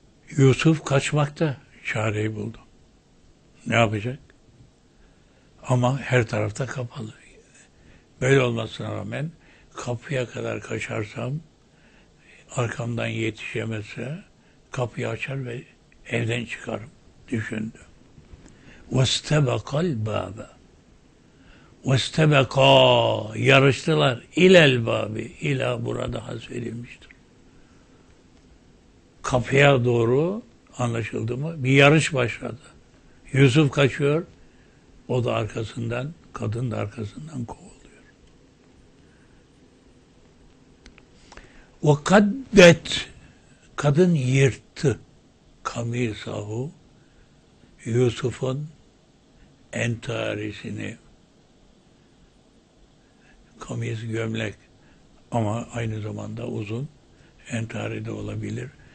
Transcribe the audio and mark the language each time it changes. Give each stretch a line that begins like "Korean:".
Turkish: Yusuf kaçmakta çareyi buldu. Ne yapacak? Ama her tarafta kapalı. Böyle olmasına rağmen kapıya kadar kaçarsam arkamdan yetişemezse kapıyı açar ve evden çıkarım, düşündü.
Arabic: وَاسْتَبَقَ الْبَابَ وَاسْتَبَقَا,
Turkish: yarıştılar
Arabic: اِلَى الْبَابِ,
Turkish: ila burada hasfedilmiştir. Kapıya doğru, anlaşıldı mı, bir yarış başladı. Yusuf kaçıyor, o da arkasından, kadın da arkasından kovuluyor. وَقَدَّتْ, kadın yırttı, kamisahu, Yusuf'un entarisini, kamis gömlek ama aynı zamanda uzun, entari de olabilir.